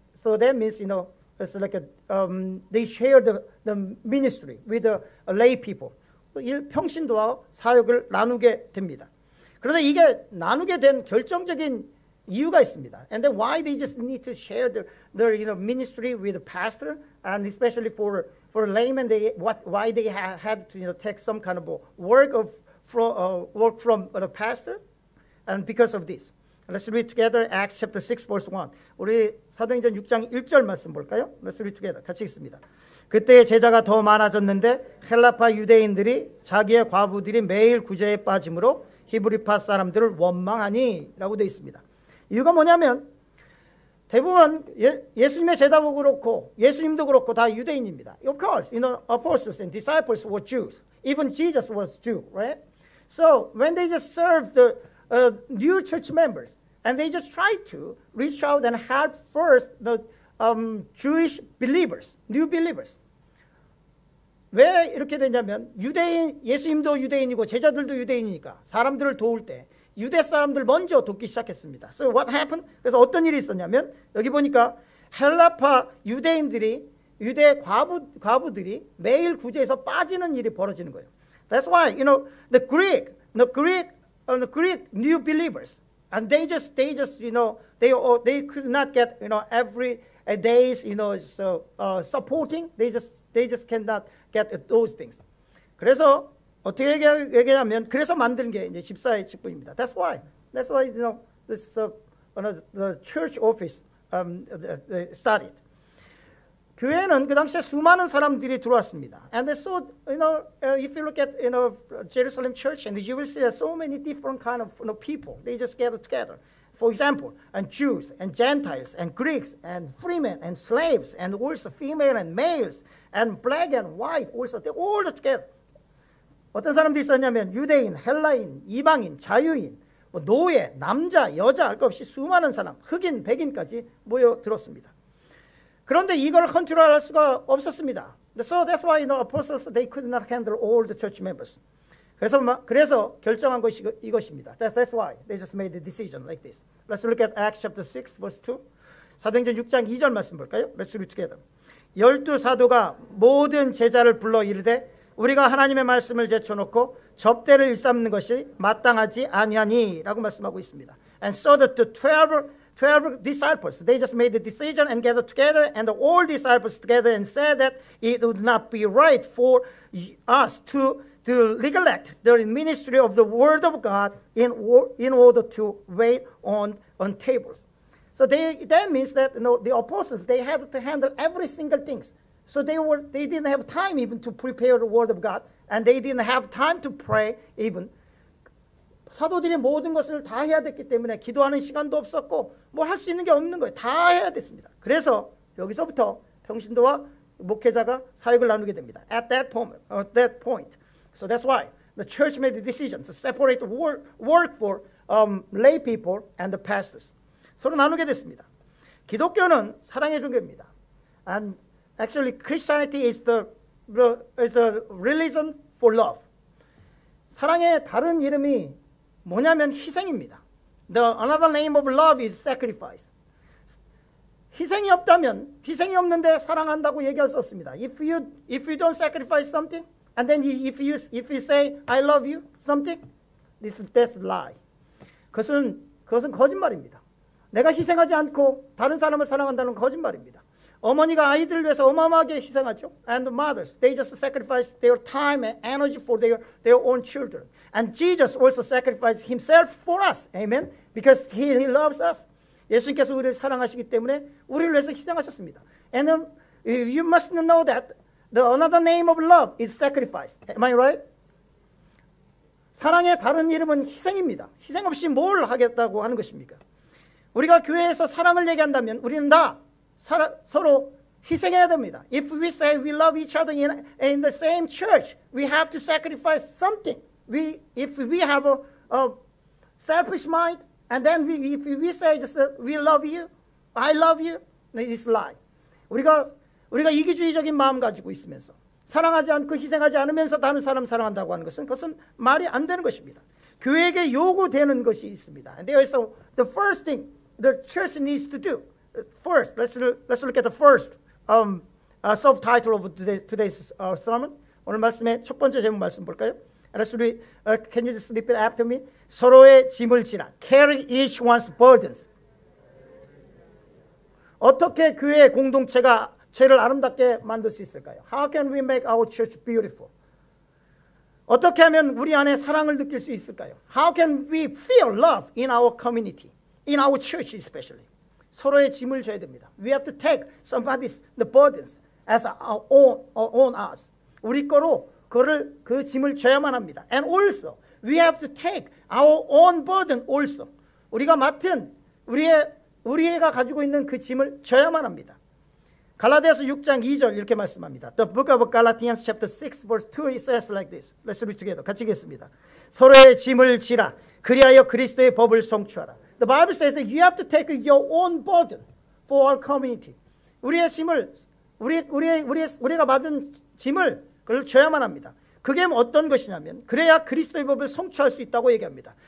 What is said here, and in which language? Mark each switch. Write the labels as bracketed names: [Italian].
[English] So that means, you know, It's like they share the ministry with the lay people. [Korean] 일 평신도와 사역을 나누게 됩니다. 그런데 이게 나누게 된 결정적인 이유가 있습니다. [English] And then why they just need to share their you know ministry with the pastor and especially for laymen they what why they had to you know take some kind of work from the pastor and because of this. Let's read together Acts chapter 6 verse 1. [Korean] 우리 사도행전 6장 1절 말씀 볼까요? [English] Let's read together. [Korean] 같이 읽습니다. 그때의 제자가 더 많아졌는데 헬라파 유대인들이 자기의 과부들이 매일 구제에 빠짐으로 히브리파 사람들을 원망하니 라고 되어 있습니다. 이유가 뭐냐면 대부분 예수님의 제자도 그렇고 예수님도 그렇고 다 유대인입니다. [English] Of course, you know, apostles and disciples were Jews. Even Jesus was Jew, right? So when they just served the new church members, and they just tried to reach out and help first the Jewish believers, new believers. [Korean] 왜 이렇게 됐냐면 유대인 예수님도 유대인이고 제자들도 유대인이니까 사람들을 도울 때 유대 사람들 먼저 돕기 시작했습니다. [English] So what happened? [Korean] 그래서 어떤 일이 있었냐면 여기 보니까 헬라파 유대인들이 유대 과부들이 매일 구제에서 빠지는 일이 벌어지는 거예요. [English] That's why you know the Greek new believers and they just you know they could not get you know every days you know so supporting they just cannot get those things. [Korean] 그래서 어떻게 얘기하냐면 그래서 만든 게 이제 집사의 직분입니다. [English] That's why you know this the church office started. [Korean] 교회는 그 당시에 수많은 사람들이 들어왔습니다. [English] And so you know if you look at you know Jerusalem church and you will see that so many different kind of you know, people they just gather together. For example, and Jews and Gentiles and Greeks and freemen and slaves and also female and males and black and white also they all together. [Korean] 어떤 사람들이 있었냐면 유대인, 헬라인, 이방인, 자유인, 뭐 노예, 남자, 여자 할 것 없이 수많은 사람, 흑인, 백인까지 모여들었습니다. 그런데 이걸 컨트롤할 수가 없었습니다. [English] So that's why the apostles, they could not handle all the church members. [Korean] 그래서 결정한 것이 이것입니다. [English] That's why they just made the decision like this. Let's look at Acts chapter 6, verse 2. [Korean] 사도행전 6장 2절 말씀 볼까요? [English] Let's read together. [Korean] 열두 사도가 모든 제자를 불러 이르되 우리가 하나님의 말씀을 제쳐놓고 접대를 일삼는 것이 마땅하지 아니하니 라고 말씀하고 있습니다. [English] And so the 12 disciples, they just made the decision and gathered together and all disciples together and said that it would not be right for us to neglect the ministry of the word of God in order to wait on tables. So that means that you know, the apostles, they had to handle every single thing. So they didn't have time even to prepare the word of God and they didn't have time to pray even. [Korean] 사도들이 모든 것을 다 해야 됐기 때문에 기도하는 시간도 없었고 뭐 할 수 있는 게 없는 거예요. 다 해야 됐습니다. 그래서 여기서부터 평신도와 목회자가 사역을 나누게 됩니다. [English] At that point, So that's why the church made the decision to separate work for lay people and the pastors. [Korean] 서로 나누게 됐습니다. 기독교는 사랑의 종교입니다. [English] And actually Christianity is the religion for love. [Korean] 사랑의 다른 이름이 뭐냐면 희생입니다. [English] The another name of love is sacrifice. [Korean] 희생이 없다면 희생이 없는데 사랑한다고 얘기할 수 없습니다. [English] If you don't sacrifice something and then if you say I love you something this that's lie. [Korean] 그것은 거짓말입니다. 내가 희생하지 않고 다른 사람을 사랑한다는 거짓말입니다. 어머니가 아이들을 위해서 어마어마하게 희생하죠. [English] And mothers, they just sacrifice their time and energy for their own children. And Jesus also sacrificed himself for us. Amen. Because he loves us. [Korean] 예수님께서 우리를 사랑하시기 때문에 우리를 위해서 희생하셨습니다. [English] And you must know that the another name of love is sacrifice. Am I right? [Korean] 사랑의 다른 이름은 희생입니다. 희생 없이 뭘 하겠다고 하는 것입니까? 우리가 교회에서 사랑을 얘기한다면 우리는 다 서로 희생해야 됩니다. [English] If we say we love each other in the same church, we have to sacrifice something. If we have a selfish mind, and then if we say just, we love you, I love you, it's lie. [Korean] 우리가 이기주의적인 마음 가지고 있으면서 사랑하지 않고 희생하지 않으면서 다른 사람 사랑한다고 하는 것은 그것은 말이 안 되는 것입니다. 교회에게 요구되는 것이 있습니다. [English] And there is the first thing the church needs to do. First, let's look at the first subtitle of today's sermon. [Korean] 오늘 말씀의 첫 번째 제목 말씀 볼까요? [English] Let's read, can you just repeat after me? [Korean] 서로의 짐을 지라. [English] Carry each one's burdens. [Korean] 어떻게 교회 공동체가 죄를 아름답게 만들 수 있을까요? [English] How can we make our church beautiful? [Korean] 어떻게 하면 우리 안에 사랑을 느낄 수 있을까요? [English] How can we feel love in our community, in our church especially? [Korean] 서로의 짐을 져야 됩니다. [English] We have to take somebody's the burdens as our own us. [Korean] 우리 거로 그 짐을 져야만 합니다. [English] And also, We have to take our own burden also. [Korean] 우리가 맡은 우리가 가지고 있는 그 짐을 져야만 합니다. 갈라디아서 6장 2절 이렇게 말씀합니다. [English] The book of Galatians chapter 6 verse 2 it says like this. Let's read together. [Korean] 같이 읽겠습니다. 서로의 짐을 지라 그리하여 그리스도의 법을 성취하라. [English] The Bible says that you have to take your own burden for our community. [Korean] 우리의 짐을 우리가 받은 짐을 그걸 져야만 합니다. 그게 어떤 것이냐면 그래야 그리스도의 법을 성취할 수 있다고 얘기합니다.